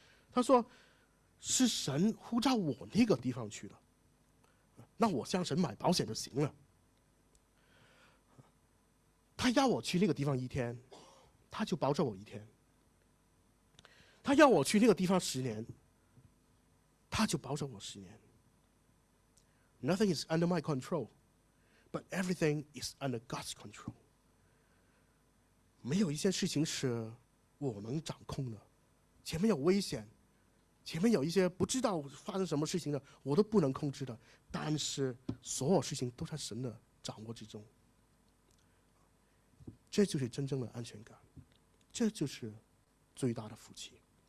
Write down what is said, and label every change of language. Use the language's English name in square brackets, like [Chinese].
[Chinese] 他说是神呼召我那个地方去的，那我向神买保险就行了。他要我去那个地方一天，他就包着我一天。他要我去那个地方十年，他就保证我十年。 [English] Nothing is under my control, but everything is under God's control. [Chinese] 没有一件事情是我能掌控的，前面有危险，前面有一些不知道发生什么事情的，我都不能控制的，但是所有事情都在神的掌握之中。这就是真正的安全感，这就是最大的福气。